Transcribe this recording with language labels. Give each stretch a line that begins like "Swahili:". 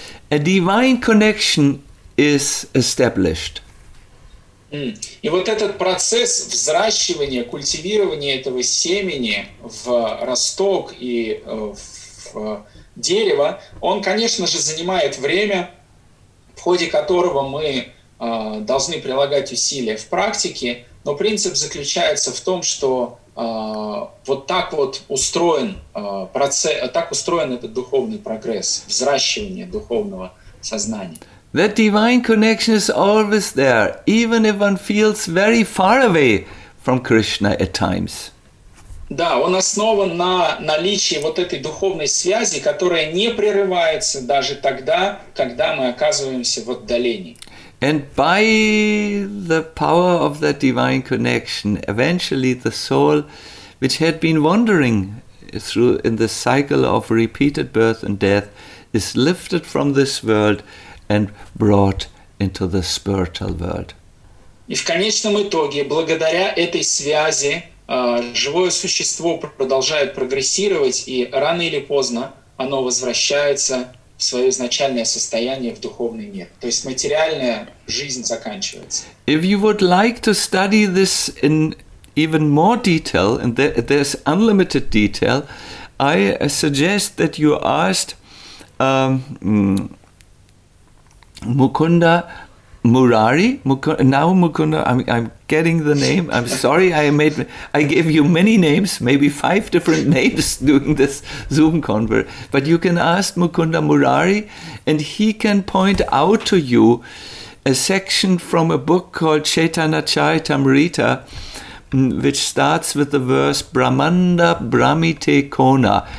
English: A divine connection is established.
Russian: И вот этот процесс взращивания, культивирования этого семени в росток и в дерево, он, конечно же, занимает время, в ходе которого мы должны прилагать усилия в практике, но принцип заключается в том, что вот так вот устроен процесс, так устроен этот духовный прогресс, взращивание духовного сознание.
English: That divine connection is always there, even if one feels very far away from Krishna at times.
Russian: Да, он основан на наличии вот этой духовной связи, которая не прерывается даже тогда, когда мы оказываемся в отдалении.
English: And by the power of that divine connection, eventually the soul, which had been wandering through in the cycle of repeated birth and death, is lifted from this world and brought into the spiritual world.
Russian: И в конечном итоге, благодаря этой связи, живое существо продолжает прогрессировать, и рано или поздно оно возвращается в свое изначальное состояние, в духовный мир. То есть материальная жизнь заканчивается.
English: If you would like to study this in even more detail, and there's unlimited detail, I suggest that you asked Mukunda Murari, I gave you many names, maybe five different names doing this Zoom convert, but you can ask Mukunda Murari and he can point out to you a section from a book called Chaitanya Charitamrita, which starts with the verse Brahmanda Brahmite Kona.